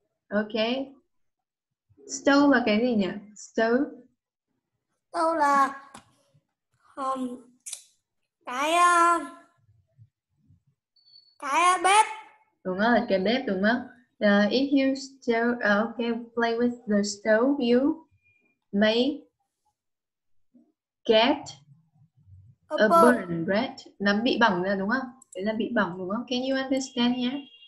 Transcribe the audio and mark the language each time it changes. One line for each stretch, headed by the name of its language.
Vietnamese: Okay. Stove là cái gì nhỉ? Stove. Stove là cái bếp. Đúng rồi, cái bếp đúng không?
English: If you stove, okay, play with the stove, you may get a burn, right?
Vietnamese: Nắm bị bỏng ra đúng không? Đấy là bị bỏng đúng không?
English: Can you understand here?